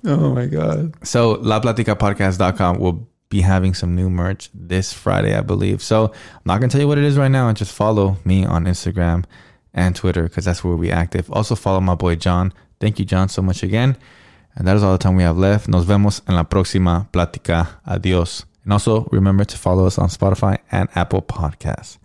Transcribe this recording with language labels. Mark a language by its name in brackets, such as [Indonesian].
[English] Oh my God. So LaPlaticaPodcast.com will be having some new merch this Friday, I believe. So I'm not going to tell you what it is right now. Just follow me on Instagram and Twitter because that's where we active. Also follow my boy John. Thank you, John, so much again. And that is all the time we have left. [Spanish] Nos vemos en la próxima plática. Adiós. [English] And also remember to follow us on Spotify and Apple Podcasts.